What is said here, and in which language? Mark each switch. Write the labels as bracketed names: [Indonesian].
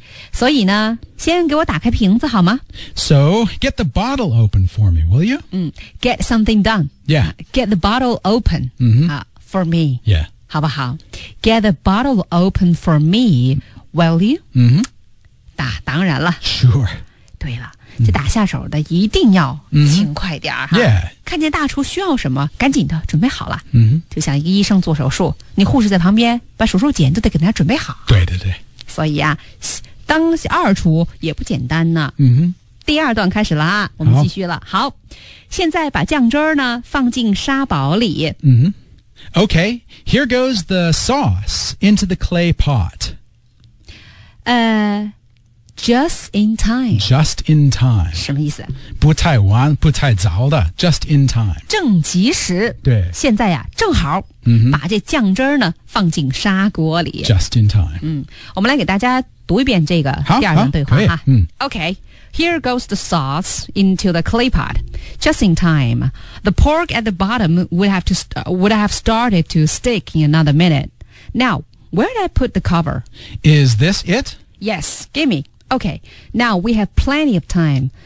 [Chinese] 所以呢先给我打开瓶子好吗 [English] So, get the bottle open for me, will you?、 Mm, get something done. Yeah. Get the bottle open、 mm-hmm. For me. Yeah. [Chinese] 好不好 [English] Get the bottle open for me, will you?、 Mm-hmm. [Chinese] 打当然了 [English] Sure. [Chinese] 对了这打下手的一定要勤快点、 mm-hmm. 哈 Yeah. 看见大厨需要什么赶紧的准备好了、 mm-hmm. 就像一个医生做手术你护士在旁边把手术剪都得给他准备好对对对所以啊当二厨也不简单呢。嗯哼。第二段开始了啊我们继续了。好。现在把酱汁呢放进沙堡里。嗯哼。 [English] Okay, here goes the sauce into the clay pot. Just in time. Just in time. [Chinese] 什么意思不太晚不太早的 , [English] just in time. [Chinese] 正及时。对。现在啊正好、 mm-hmm. 把这酱汁呢放进砂锅里。 [English] Just in time. 嗯。 [Chinese] 我们来给大家读一遍这个第二段对话哈、嗯。 [English] Okay, here goes the sauce into the clay pot. Just in time. The pork at the bottom would have started to stick in another minute. Now, where did I put the cover? Is this it? Yes, gimme. Okay, now we have plenty of time.